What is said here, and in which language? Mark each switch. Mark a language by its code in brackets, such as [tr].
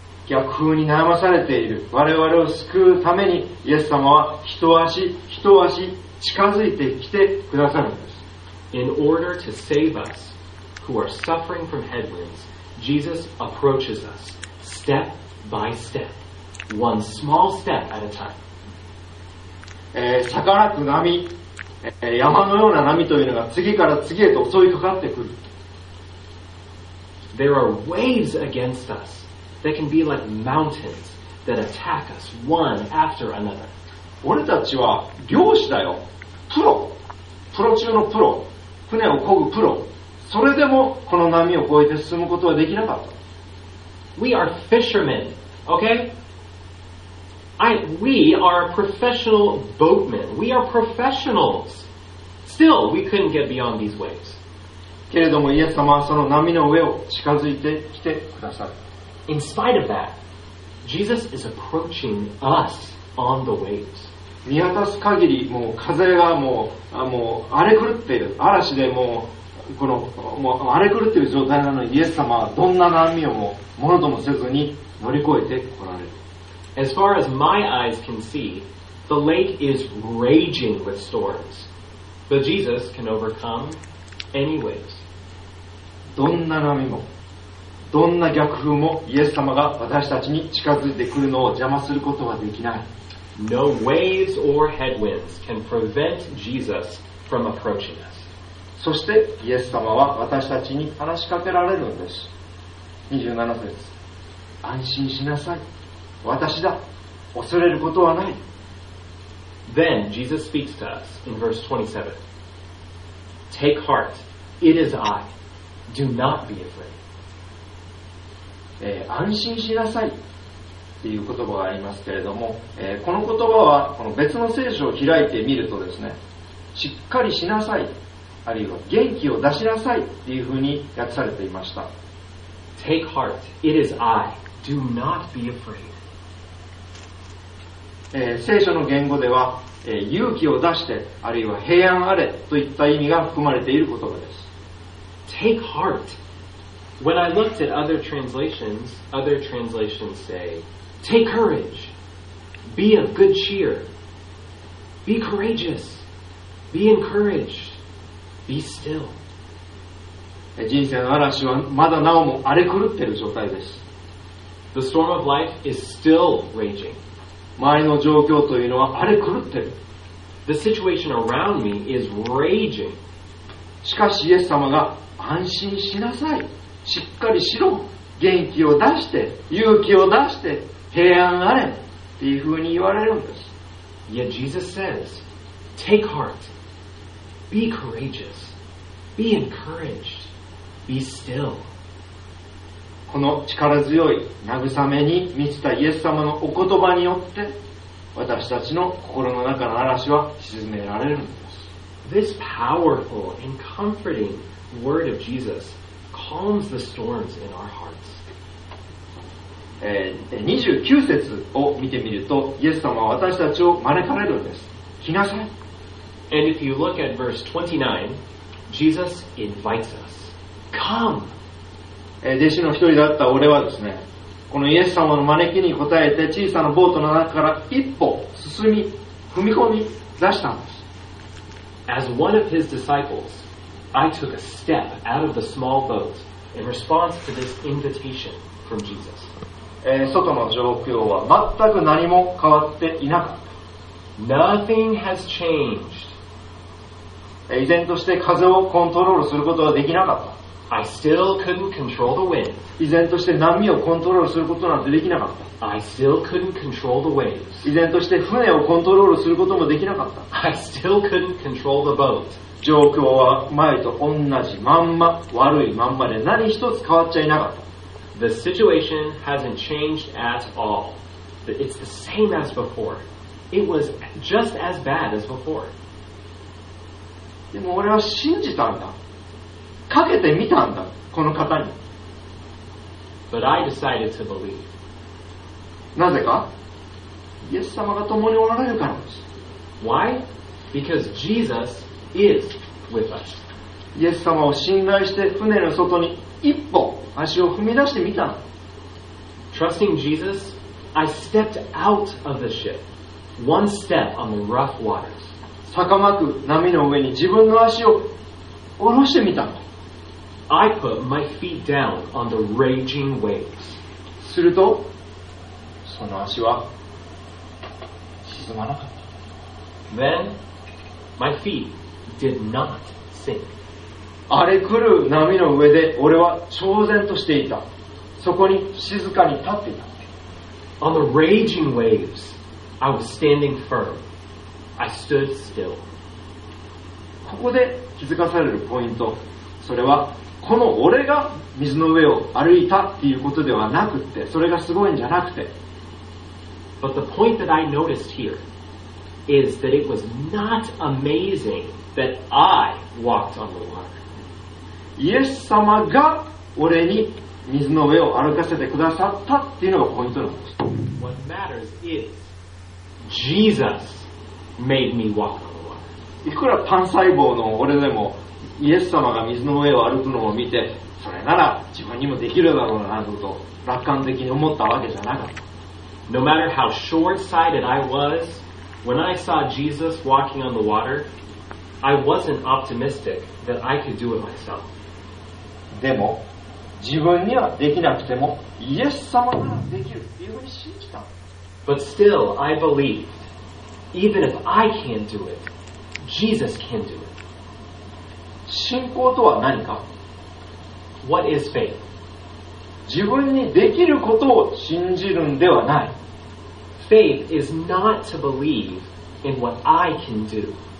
[ja] 逆風に悩まされている我々を救うためにイエス様は一足一足近づいてきてくださるんです。 [en] In order to save us who are suffering from headwinds, Jesus approaches us step by step, one small step at a time. [ja] 逆らう波、山のような波というのが次から次へと襲いかかってくる。 [en] There are waves against us that can be like mountains that attack us one after another. [ja] 俺たちは漁師だよ。プロ、プロ中のプロ、船を漕ぐプロ、それでもこの波を越えて進むことはできなかった。 [en] We are fishermen, okay? We are professional boatmen. We are professionals. Still, we couldn't get beyond these waves. [ja] けれどもイエス様はその波の上を近づいてきてくださる。 [en] In spite of that, Jesus is approaching us on the waves. [ja] 見渡す限りもう風がもう荒れ狂っている、嵐でもうこのもう荒れ狂っている状態なのに、イエス様はどんな波をもものともせずに乗り越えてこられる。 [en] As far as my eyes can see, the lake is raging with storms, but Jesus can overcome any waves. [ja] どんな波もどんな逆風もイエス様が私たちに近づいてくるのを邪魔することはできない。 [en] No waves or headwinds can prevent Jesus from approaching us. [ja] そしてイエス様は私たちに話しかけられるんです。 27節。安心しなさい。私だ。恐れることはない。 [en] Then Jesus speaks to us in verse 27. Take heart. It is I. Do not be afraid. [ja] 安心しなさい。という言葉がありますけれども、この言葉はこの別の聖書を開いてみるとですね、しっかりしなさい、あるいは元気を出しなさいというふうに訳されていました。 [en] Take heart, it is I, do not be afraid、 [ja] 聖書の言語では、勇気を出して、あるいは平安あれといった意味が含まれている言葉です。 [en] Take heart. When I looked at other translations sayTake courage. Be of good cheer. Be courageous. Be encouraged. Be still. [ja] 人生の嵐はまだなおも荒れ狂っている状態です。 [en] The storm of life is still raging. [ja] 周りの状況というのは荒れ狂っている。 [en] The situation around me is raging. [ja] しかしイエス様が安心しなさい。しっかりしろ。元気を出して。勇気を出して。平安あれっていうふうに言われるんです。 [en] Yet Jesus says, take heart, be courageous, be encouraged, be still. [ja] この力強い慰めに満ちたイエス様のお言葉によって、私たちの心の中の嵐は沈められるんです。 [en] This powerful and comforting word of Jesus calms the storms in our hearts. [ja] 29節を見てみると、イエス様は私たちを招かれるんです。来なさい。 [en] And if you look at verse 29, Jesus invites us. Come. [ja] 弟子の一人だった俺はですね、このイエス様の招きに応えて小さなボートの中から一歩進み踏み込み出したんです。 [en] As one of his disciples, I took a step out of the small boat in response to this invitation from Jesus. [ja] 外の状況は全く何も変わっていなかった。 [en] Nothing has changed. [ja] 依然として風をコントロールすることはできなかった。 [en] I still couldn't control the wind. [ja] 依然として波をコントロールすることなんてできなかった。 [en] I still couldn't control the waves. [ja] 依然として船をコントロールすることもできなかった。 [en] I still couldn't control the boat. [ja] 状況は前と同じまんま、悪いまんまで何一つ変わっちゃいなかった。 [en] The situation hasn't changed at all. It's the same as before. It was just as bad as before. [ja] でも俺は信じたんだ。かけてみたんだ、この方に。 [en] But I decided to believe. [ja] なぜか？イエス様が共におられるからです。 [en] Why? Because Jesus is with us. [ja] イエス様を信頼して船の外に一歩足を踏み出してみた。 [en] trusting Jesus, I stepped out of the ship, one step on the rough waters. [ja] 高まく波の上に自分の足を下ろしてみた。 [en] I put my feet down on the raging waves. [ja] すると、その足は沈まなかった。 [en] Then, my feet did not sink. [ja] 荒れ狂う波の上で俺は超然としていた。そこに静かに立っていた。 [en] On the raging waves, I was standing firm. I stood still. [ja] ここで気づかされるポイント、それはこの俺が水の上を歩いたっていうことではなくて、それがすごいんじゃなくて。 [en] But the point that I noticed here is that it was not amazing that I walked on the water. [ja] イエス様が俺に水の上を歩かせてくださったっていうのがポイントなんです。 [en] What matters is Jesus made me walk on the water. [ja] いくら単細胞の俺でもイエス様が水の上を歩くのを見て、それなら自分にもできるだろうなどと楽観的に思ったわけじゃなかった。 [en] No matter how short-sighted I was, when I saw Jesus walking on the water, I wasn't optimistic that I could do it myself. [ja] でも、自分にはできなくても、イエス様ならできるというふうに信じた。 [en] But still, I believed, even if I can't do it, Jesus can do it. [ja] 信仰とは何か? [en] What is faith? [ja] 自分にできることを信じるんではない。 [en] Faith is not to believe in what I can do.